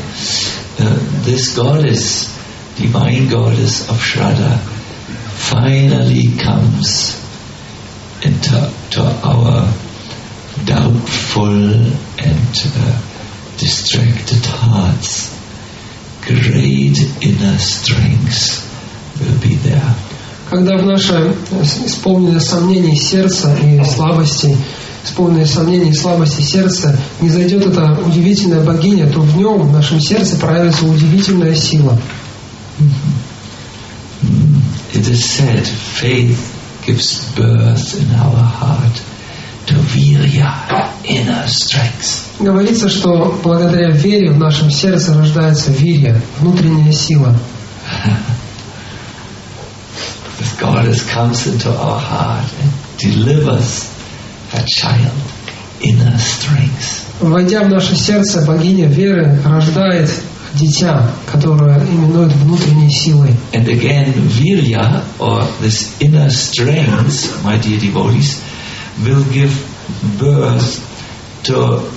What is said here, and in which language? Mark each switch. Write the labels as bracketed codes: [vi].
[en] This goddess, divine goddess of Shraddha, finally comes into to our doubtful and distracted hearts. Great inner strength will be there. [ru] Когда в наше исполненное сомнений сердца и слабости, исполненное сомнений и слабости сердца, не зайдет эта удивительная богиня, то в нем, в нашем сердце, проявится удивительная сила. [en] It is said, faith gives birth in our heart to virya, inner strength. [ru] Говорится, что благодаря вере в нашем сердце рождается вирья, внутренняя сила. [en] This goddess comes into our heart and delivers a child inner strength. [ru] Войдя в наше сердце, богиня веры рождает дитя, которое именует внутренней силой. [en] And again, virya, or this inner strength, my dear devotees, will give birth to